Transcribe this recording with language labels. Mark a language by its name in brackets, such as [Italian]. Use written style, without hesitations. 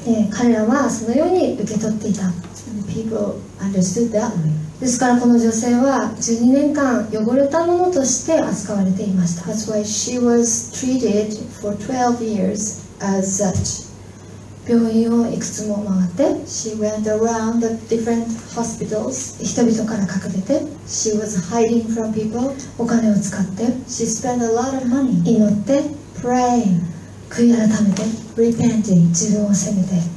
[Japanese] 彼らはそのように受け取っていた。 [English] People understood that way. [Japanese] ですからこの女性は12年間汚れたものとして扱われていました。 [English] That's why she was treated for 12 years as such. [Japanese] 病院をいくつも回って、 [English] She went around the different hospitals. [Japanese] 人々から隠れて、 [English] She was hiding from people. [Japanese] お金を使って、 [English] She spent a lot of money. [Japanese] 祈って、 [English] Praying. [Japanese] 悔い改めて、 [English] repenting、 [Japanese] 自分を責めて、